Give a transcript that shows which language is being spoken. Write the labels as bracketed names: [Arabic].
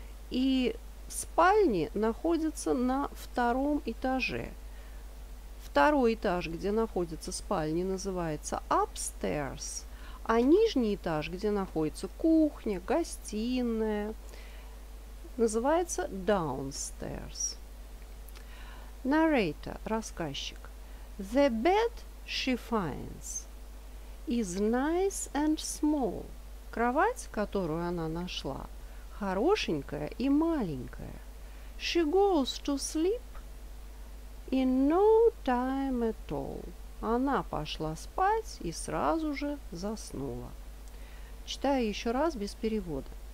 [Russian] И спальни находятся на втором этаже. Второй этаж, где находятся спальни, называется upstairs. А нижний этаж, где находится кухня, гостиная, называется downstairs. Narrator, рассказчик. [English] The bed she finds is nice and small. [Russian] Кровать, которую она нашла, хорошенькая и маленькая. [English] She goes to sleep in no time at all. [Russian] Она пошла спать и сразу же заснула. Читаю еще раз без перевода.